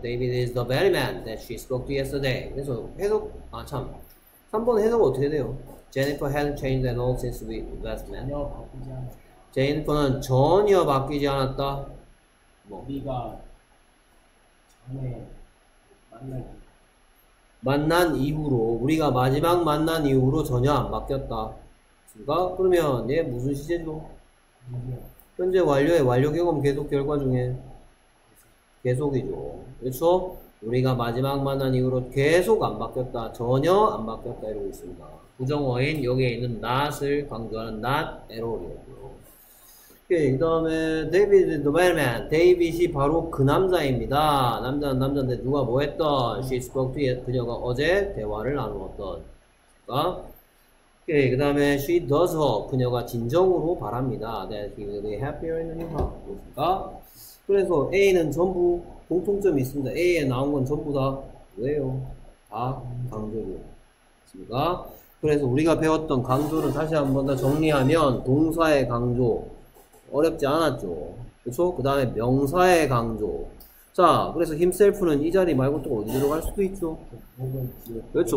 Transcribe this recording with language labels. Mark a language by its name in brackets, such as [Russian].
[English] David is the very man that she spoke to yesterday. [Korean] 그래서 해석, 아 참, 3번 해석 어떻게 돼요? [English] Jennifer hasn't changed at all since we last met. [Korean] 전혀 바뀌지 않았다. Jennifer는 전혀 바뀌지 않았다. 뭐. 우리가 전에 만난 이후로, 우리가 마지막 만난 이후로 전혀 안 바뀌었다. 그니까, 그러면 얘 무슨 시제죠? 현재 완료의 완료 경험 계속 결과 중에 계속이죠. 그렇죠? 우리가 마지막 만난 이후로 계속 안 바뀌었다. 전혀 안 바뀌었다 이러고 있습니다. 부정어인 여기에 있는 not을 강조하는 not error이었고요. 오케이, 그 다음에 [English] David is the man. [Korean] David이 바로 그 남자입니다. 남자는 남자인데 누가 뭐 했던 [English] She spoke to you. [Korean] 그녀가 어제 대화를 나누었던 그러니까 오케이, 그 다음에 [English] she does her. [Korean] 그녀가 진정으로 바랍니다. [English] That he will be happier in the new house. [Korean] 그래서 A는 전부 공통점이 있습니다. A에 나온 건 전부 다 왜요? 다 강조죠. 맞습니까? 그래서 우리가 배웠던 강조를 다시 한번 더 정리하면 동사의 강조 어렵지 않았죠. 그렇죠? 그 다음에 명사의 강조. 자, 그래서 himself는 이 자리 말고 또 어디로 갈 수도 있죠. 그렇죠.